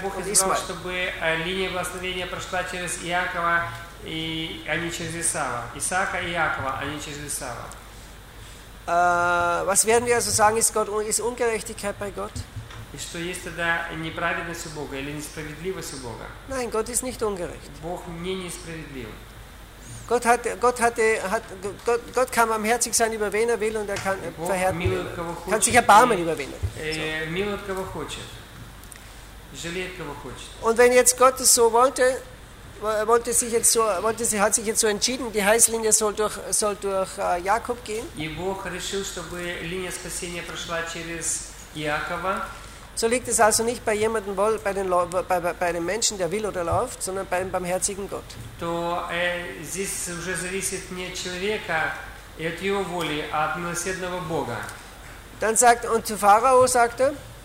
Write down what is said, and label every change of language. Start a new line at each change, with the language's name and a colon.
Russian: Итак, Бог избрал, чтобы линия благословения прошла через Якова и а не через Исаава. Исаака и Якова, а не через Исаава.
German: Was werden wir also sagen, ist Ungerechtigkeit bei Gott?
Russian: Что есть тогда неправедность у Бога или несправедливость у Бога?
German: Nein, Gott ist nicht ungerecht.
Russian: Бог не несправедлив.
German: Gott kann barmherzig sein über wen er will und er kann verhärten. Kann sich erbarmen über wen er
Russian: will. Милует кого хочет. Жалеет кого хочет.
German: Und wenn jetzt Gott es so wollte, hat sich jetzt so entschieden, die Heilslinie soll durch Jakob gehen.
Russian: И Бог решил, чтобы линия спасения прошла через Иакова.
German: So liegt es also nicht bei jemandem wohl, bei den Menschen, der will oder läuft, sondern beim barmherzigen Gott.
Russian: То здесь уже зависит не от человека и от его воли, а от милосердного Бога.
German: Dann sagt und zu Pharao sagte.